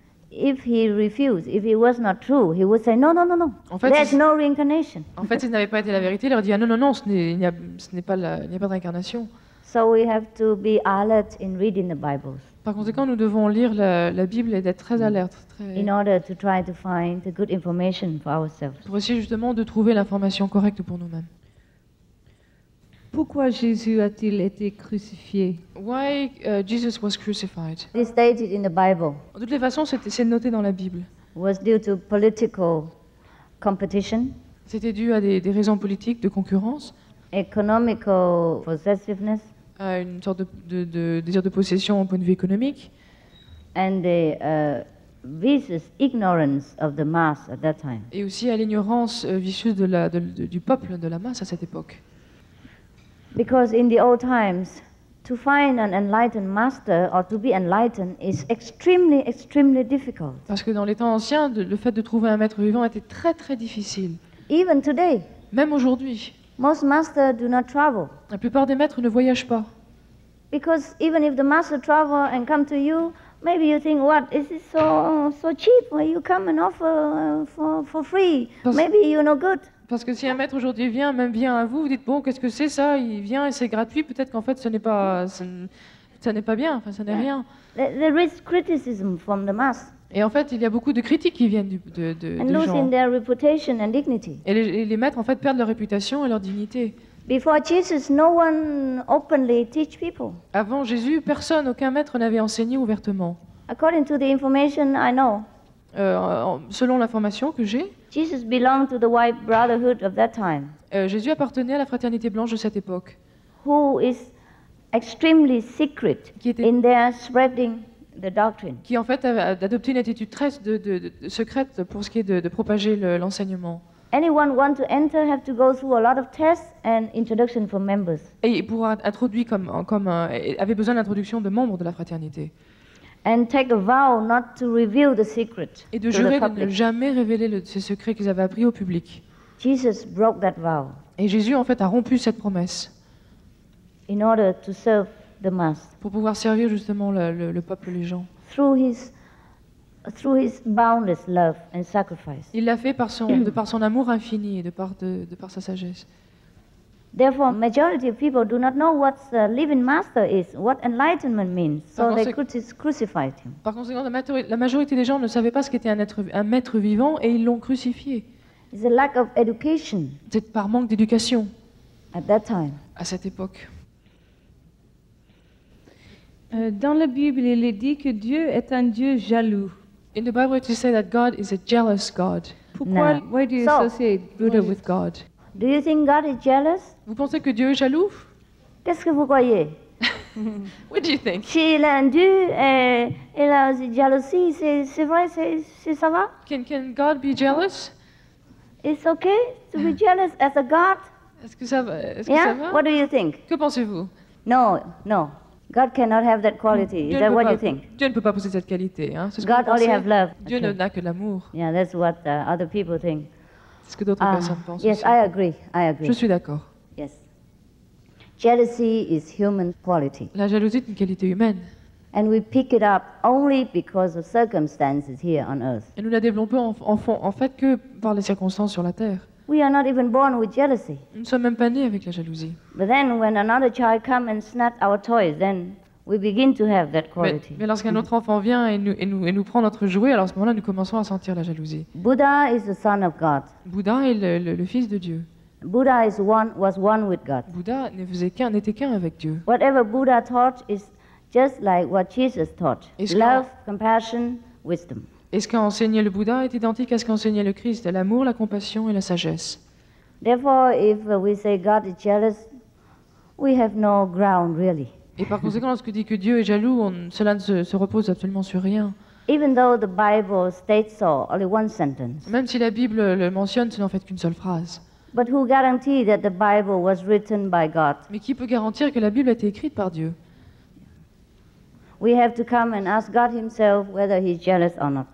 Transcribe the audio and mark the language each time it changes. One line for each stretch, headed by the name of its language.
English: If he refused, if it was not true, he would say no, no, no, no.
French: En fait,
English: there's no reincarnation.
French: En fait, s'il n'avait pas été la vérité, il leur dit ah, non, non, non, il n'y a pas de réincarnation.
English: So we have to be alert in reading the Bibles.
French: Par conséquent, nous devons lire la Bible et d'être très alerte.
English: In order to try to find the good information for ourselves.
French: Pour essayer justement de trouver l'information correcte pour nous-mêmes. Pourquoi Jésus a-t-il été crucifié?
English: Why Jesus was crucified? It's stated in the Bible.
French: De toutes les façons, c'est noté dans la Bible.
English: Was due to political competition.
French: C'était dû à des raisons politiques de concurrence.
English: Economical possessiveness.
French: À une sorte de désir de possession au point de vue économique.
English: And the vicious ignorance of the mass at that time.
French: Et aussi à l'ignorance vicieuse du peuple de la masse à cette époque.
English: Because in the old times, to find an enlightened master or to be enlightened is extremely, extremely difficult.
French: Parce que dans les temps anciens, le fait de trouver un maître vivant était très, très difficile.
English: Even today.
French: Même aujourd'hui.
English: Most masters do not travel.
French: La plupart des maîtres ne voyagent pas.
English: Because even if the master travel and come to you, maybe you think, what is it so cheap? Why you come and offer for free? Maybe you're no good.
French: Parce que si un maître aujourd'hui vient, même vient à vous, vous dites, bon, qu'est-ce que c'est ça? Il vient et c'est gratuit, peut-être qu'en fait, ce n'est pas bien, ce n'est rien.
English: There is criticism from the mass.
French: Et en fait, il y a beaucoup de critiques qui viennent
English: and
French: de
English: losing
French: gens.
English: Their reputation and dignity.
French: Et les maîtres, en fait, perdent leur réputation et leur dignité.
English: Before Jesus, no one openly teach people.
French: Avant Jésus, personne, aucun maître n'avait enseigné ouvertement.
English: According to the information I know,
French: selon l'information que j'ai,
English: Jesus belonged to the white brotherhood of that time.
French: Jésus appartenait à la fraternité blanche de cette époque.
English: Who is extremely secret in their spreading the doctrine.
French: Qui en fait a adopté une attitude très de secrète pour ce qui est de propager l'enseignement.
English: Anyone want to enter have to go through a lot of tests and introduction for members.
French: Et pour introduire comme avait besoin d'introduction de membres de la fraternité.
English: And take a vow not to reveal the secret.
French: Et de jurer de ne jamais révéler ces secrets qu'ils avaient appris au public.
English: Jesus broke that vow.
French: Et Jésus en fait a rompu cette promesse.
English: In order to serve the mass.
French: Pour pouvoir servir justement le peuple, les gens.
English: Through his boundless love and sacrifice.
French: Il l'a fait par son amour infini et de par sa sagesse.
English: Therefore, majority of people do not know what the living master is, what enlightenment means, so they crucified him.
French: Par conséquent, la majorité des gens ne savaient pas ce qu'était un maître vivant et ils l'ont crucifié.
English: It's a lack of education.
French: C'est par manque d'éducation.
English: At that time.
French: À cette époque. Dans la Bible, il est dit que Dieu est un Dieu jaloux.
English: In the Bible, it is said that God is a jealous God.
French: Pourquoi?
English: No. Why do you associate Buddha with God? Do you think God is jealous?
French: Vous pensez que Dieu est jaloux? Qu'est-ce que vous croyez?
English: What do you think?
French: Si il a un Dieu et il a une jalousie, c'est vrai, c'est ça va?
English: Can God be jealous? It's okay to be jealous as a God.
French: Est-ce que ça va?
English: Yeah?
French: Que ça va?
English: What do you think?
French: Que pensez-vous?
English: No. God cannot have that quality. Is that what you think?
French: Dieu ne peut pas posséder cette qualité, hein? C'est ce
English: God
French: que
English: only have love.
French: Dieu okay. N'a que l'amour.
English: Yeah, that's what other people think.
French: C'est ce que d'autres personnes pensent.
English: Yes,
French: aussi.
English: I agree.
French: Je suis d'accord.
English: Yes. Jealousy is human quality.
French: La jalousie est une qualité humaine.
English: And we pick it up only because of circumstances here on earth.
French: Et nous la développons en fait que par les circonstances sur la terre.
English: We are not even born with jealousy.
French: Nous ne sommes même pas nés avec la jalousie.
English: But then, when another child comes and snatches our toys, then we begin to have that quality.
French: Mais lorsqu'un autre enfant vient et nous prend notre jouet, alors à ce moment-là, nous commençons à sentir la jalousie.
English: Buddha is the son of God.
French: Bouddha est le fils de Dieu.
English: Buddha is one was one with God.
French: Bouddha n'était qu'un avec Dieu.
English: Whatever Buddha taught is just like what Jesus taught: love, compassion, wisdom.
French: Et ce qu'a enseigné le Bouddha est identique à ce qu'a enseigné le Christ, l'amour, la compassion et la sagesse.
English: Therefore, if we say God is jealous, we have no ground really.
French: Et par conséquent, lorsque dit que Dieu est jaloux, cela ne se repose absolument sur rien.
English: Even though the Bible states so, only one sentence.
French: Même si la Bible le mentionne, ce n'est en fait qu'une seule phrase.
English: But who guarantees that the Bible was written by God?
French: Mais qui peut garantir que la Bible a été écrite par Dieu?
English: We have to come and ask God himself whether he's jealous or not.